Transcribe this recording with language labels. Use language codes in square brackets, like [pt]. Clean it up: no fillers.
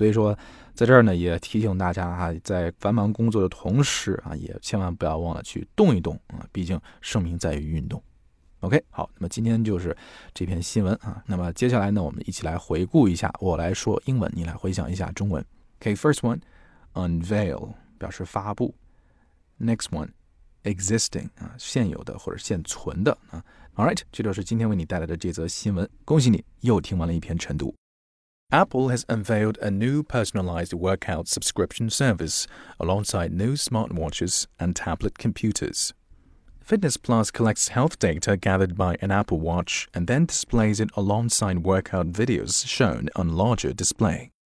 [zh] 所以说，在这儿呢，也提醒大家啊，在繁忙工作的同时啊，也千万不要忘了去动一动啊，毕竟生命在于运动。 OK， 好，那么今天就是这篇新闻啊。那么接下来呢，我们一起来回顾一下，我来说英文，你来回想一下中文。 [en] Okay, first one, unveil [zh] 表示发布。 [en] Next one, [zh] existing 啊，现有的或者现存的啊。 [en] All right, [zh] 这就是今天为你带来的这则新闻。恭喜你又听完了一篇晨读。 [en] Apple has unveiled a new personalized workout subscription service alongside new smartwatches and tablet computers. Fitness Plus collects health data gathered by an Apple Watch and then displays it alongside workout videos shown on a larger display.